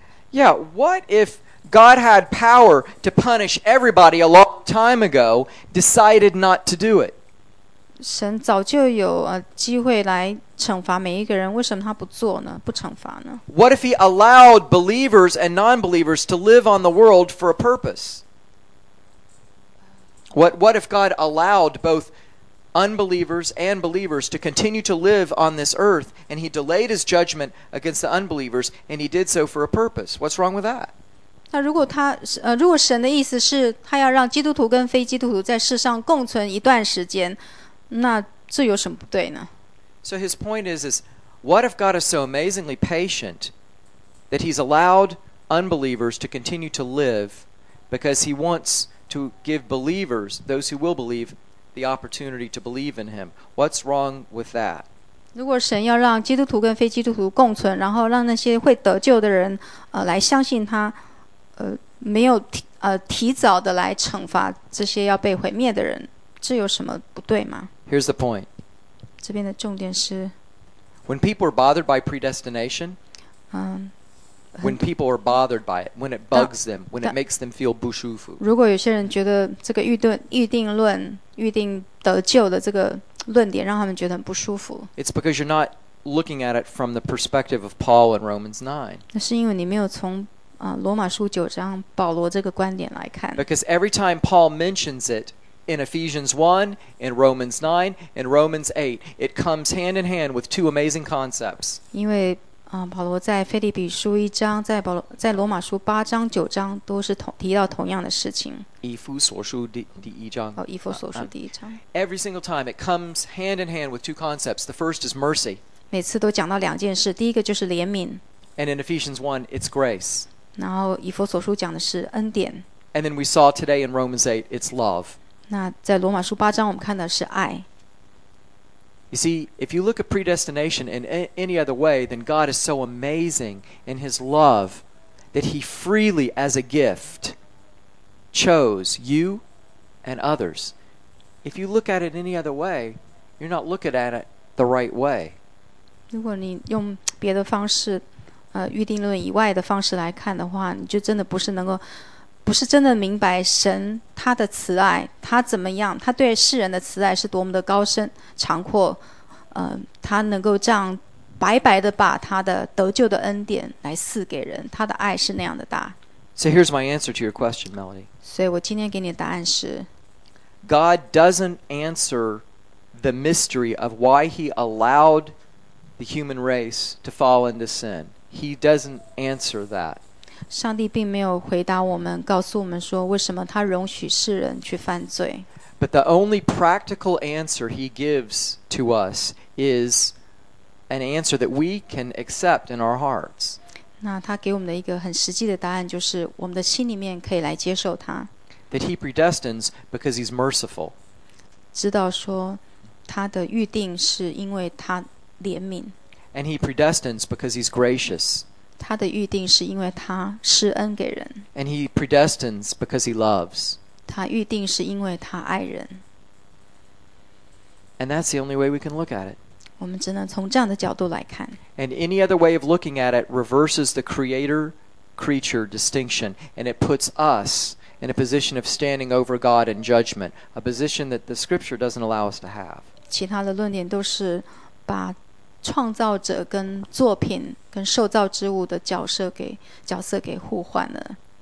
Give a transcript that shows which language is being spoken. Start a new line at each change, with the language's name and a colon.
English: Yeah, what if God had power to punish everybody a long time ago, decided not to do it?
Chinese: 神早就有机会来惩罚每一个人，为什么他不做呢？不惩罚呢？
English: What if he allowed believers and non-believers to live on the world for a purpose? What if God allowed both unbelievers and believers to continue to live on this earth, and he delayed his judgment against the unbelievers, and he did so for a purpose? What's wrong with that?
Chinese: 那如果他如果神的意思是他要让基督徒跟非基督徒在世上共存一段时间，那这有什么不对呢？
English: So his point is what if God is so amazingly patient that he's allowed unbelievers to continue to live because he wants to give believers, those who will believe, the opportunity to believe in him? What's wrong with that?
Chinese: 如果神要让基督徒跟非基督徒共存，然后让那些会得救的人来相信他，没有提早的来惩罚这些要被毁灭的人，这有什么不对吗？
English: Here's the point.
Chinese: 这边的重点是
English: When people are bothered by predestination, when people are bothered by it, when it bugs them, when it makes them feel
Chinese: 不舒服。如果有些人觉得这个预定论、预定得救的这个论点让他们觉得很不舒服。
English: It's because you're not looking at it from the perspective of Paul in Romans 9.
Chinese: 那是因为你没有从罗马书九章保罗这个观点来看。
English: Because every time Paul mentions it in Ephesians 1, in Romans 9, in Romans 8, it comes hand in hand with two amazing concepts.
Chinese: 因为保罗在腓立比书一章，在罗马书八章、九章都是提到同样的事情。以弗所书第一章。哦，以弗所书第一章。
English: Every single time it comes hand in hand with two concepts. The first is mercy.
Chinese: 每次都讲到两件事，第一个就是怜悯。
English: And in Ephesians 1, it's grace.
Chinese: 然后以弗所书讲的是恩典。
English: And then we saw today in Romans 8, it's love.
Chinese: 那在罗马书八章我们看的是爱。
English: You see, if you look at predestination in any other way, then God is so amazing in his love that he freely, as a gift, chose you and others. If you look at it any other way, you're not looking at it the right way.
Chinese: 如果你用别的方式，预定论以外的方式来看的话，你就真的不是真的明白神他的慈爱，他怎么样，他对世人的慈爱是多么的高深长阔，他能够这样白白的把他的得救的恩典来赐给人，他的爱是那样的大。
English: So here's my answer to your question, Melody.
Chinese: 所以我今天给你的答案是
English: God doesn't answer the mystery of why he allowed the human race to fall into sin. He doesn't answer that.
Chinese: 上帝并没有回答我们，告诉我们说为什么他容许世人去犯罪。
English: But the only practical answer he gives to us is an answer that we can accept in our hearts.
Chinese: 那他给我们的一个很实际的答案就是我们的心里面可以来接受他。
English: That he predestines because he's merciful.
Chinese: 知道说他的预定是因为他怜悯。
English: And he predestines because he's gracious.
Chinese: 他的预定是因为他施恩给人。
English: And he predestines because he loves.
Chinese: 他预定是因为他爱人。
English: And that's the only way we can look at it.
Chinese: 我们只能从这样的角度来看。
English: And any other way of looking at it reverses the creator-creature distinction, and it puts us in a position of standing over God in judgment, a position that the scripture doesn't allow us to have.
Chinese: 其他的论点都是把创造者跟作品跟受造之物的角色给互换了。